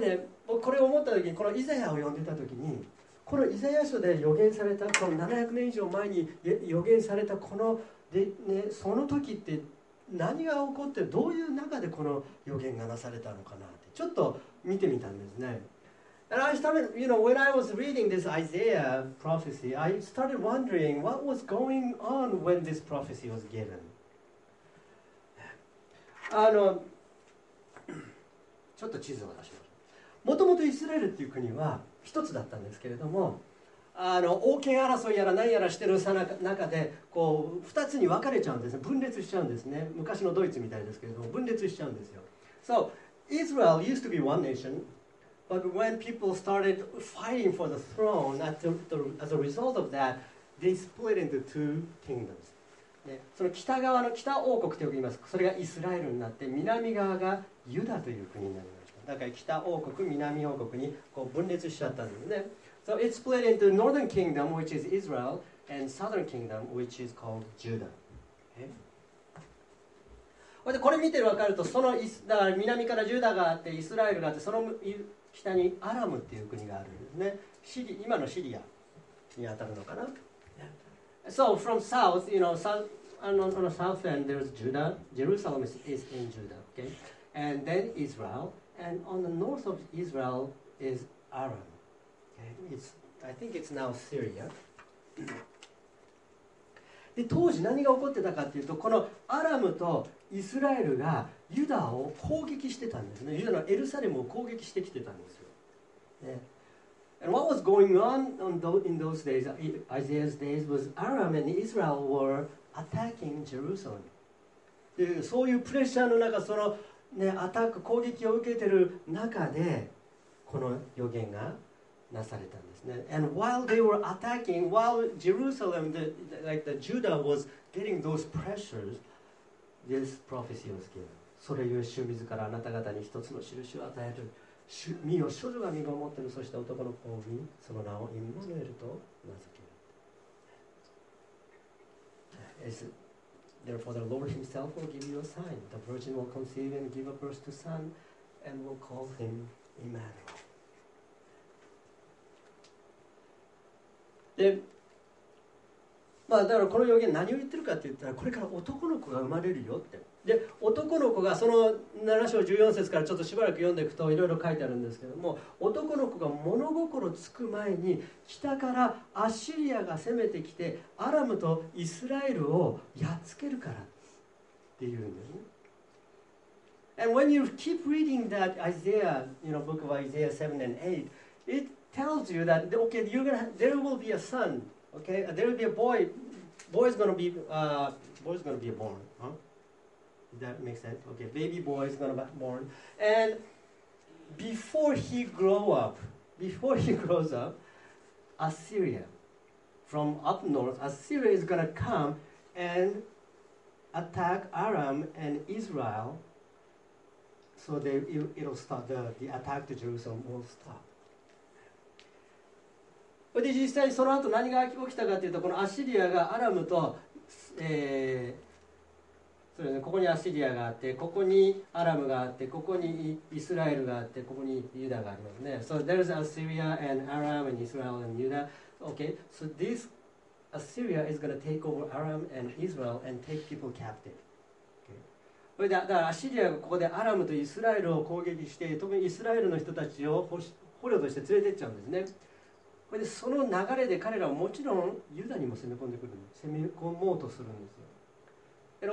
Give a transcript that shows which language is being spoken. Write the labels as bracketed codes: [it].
[ja] でね、これを思った時に、このイザヤを読んでた時に、このイザヤ書で予言された、この700年以上前に予言されたこので、ね、その時って何が起こって、どういう中でこの予言がなされたのかなってちょっと見てみたんですね。 [en] And I started, you know, when I was reading this Isaiah prophecy, I started wondering what was going on when this prophecy was given. [ja] ちょっと地図を出します。もともとイスラエルっていう国は一つだったんですけれども、王権争いやら何やらしてる中で、こう2つに分かれちゃうんですね。分裂しちゃうんですね。昔のドイツみたいですけれども、分裂しちゃうんですよ。 [en] So Israel used to be one nation, but when people started fighting for the throne, as a result of that, they split into two kingdoms. [ja] で、その北側の北王国と呼びます。それがイスラエルになって、南側がユダという国になりました。だから北王国、南王国にこう分裂しちゃったんですね。 [en] So it split into Northern Kingdom, which is Israel, and Southern Kingdom, which is called Judah. Okay? [ja] で、これ見てわかると、そのだから南からユダがあって、イスラエルがあって、その北にアラムっていう国があるんですね。今のシリアに当たるのかな。 [en] Yeah. So from south, you know, on the south end, there's Judah. Jerusalem is in Judah. Okay? And then Israel. And on the north of Israel is Aram. I think it's now Syria. [ja] で、当時何が起こってたかっていうと、このアラムとイスラエルがユダを攻撃してたんですね。ユダのエルサレムを攻撃してきてたんですよ。 [en] ね、and what was going on in those days, Isaiah's days, was Aram and Israel were attacking Jerusalem. [ja] で、そういうプレッシャーの中、その、ね、アタック、攻撃を受けてる中で、この予言がなされたんですね。 [en] And while they were attacking, while Jerusalem, the Judah was getting those pressures, this prophecy was given. [ja] それゆえ主自らあなた方に一つの印を与える。主、見よ、少女が身ごもっている、そして男の子を見、その名をイムヌエルと名付ける。 [en] Is therefore the Lord Himself will give you a sign. The virgin will conceive and give a birth to son, and will call him Emmanuel. [ja] でまあ、だからこの予言何を言ってるかって言ったらこれから男の子が生まれるよってで男の子がその7章14節からちょっとしばらく読んでいくといろいろ書いてあるんですけども男の子が物心つく前に北からアッシリアが攻めてきてアラムとイスラエルをやっつけるからっていうんですね。 [en] And when you keep reading that Isaiah, you know, book of Isaiah 7 and 8, itTells you that okay, you're gonna there will be a son, okay, there will be a boy, boy's gonna be born, huh? Does that make sense? Okay, baby boy is gonna be born, and before he grows up, Assyria, from up north, Assyria is gonna come and attack Aram and Israel, so it'll start the attack to Jerusalem will stop. [ja] で実際にその後何が起きたかというとこのアッシリアがアラムと、そうですね、ここにアッシリアがあってここにアラムがあってここにイスラエルがあってここにユダがありますね。 [en] So there's Assyria and Aram and Israel and Judah. Okay, so this Assyria is going to take over Aram and Israel and take people captive. Okay. [ja] それでだからアッシリアがここでアラムとイスラエルを攻撃して特にイスラエルの人たちを捕虜として連れてっちゃうんですね。これでその流れで彼らはもちろんユダにも攻め込んでくる、攻め込もうとするんですよ。